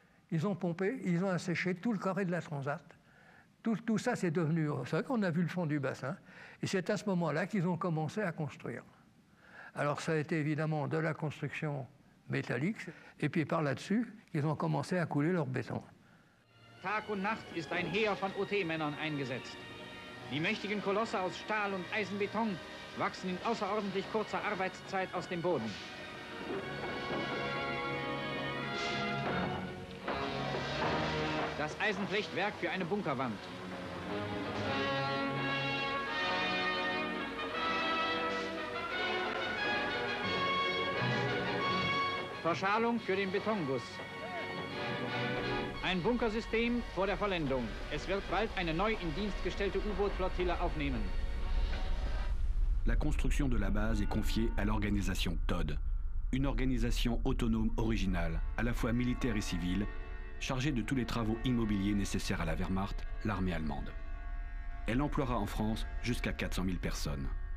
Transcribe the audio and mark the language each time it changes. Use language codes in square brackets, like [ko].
[fr] Ils ont pompé, ils ont asséché tout le carré de la Transat. Tout ça, c'est devenu... C'est vrai qu'on a vu le fond du bassin. Et c'est à ce moment-là qu'ils ont commencé à construire. Alors ça a été évidemment de la construction métallique. Et puis par là-dessus, ils ont commencé à couler leur béton. [de] Tag und Nacht ist ein Heer von OT-Männern eingesetzt. Die mächtigen Kolosse aus Stahl und Eisenbeton wachsen in außerordentlich kurzer Arbeitszeit aus dem Boden. Das Eisenflechtwerk für eine Bunkerwand. Verschalung für den Betonguss. Ein Bunkersystem vor der Vollendung. Es wird bald eine neu in Dienst gestellte U-Boot-Flottille aufnehmen. [fr] La construction de la base est confiée à l'organisation TOD, une organisation autonome originale, à la fois militaire et civile, chargée de tous les travaux immobiliers nécessaires à la Wehrmacht, l'armée allemande. Elle emploiera en France jusqu'à 400 000 personnes.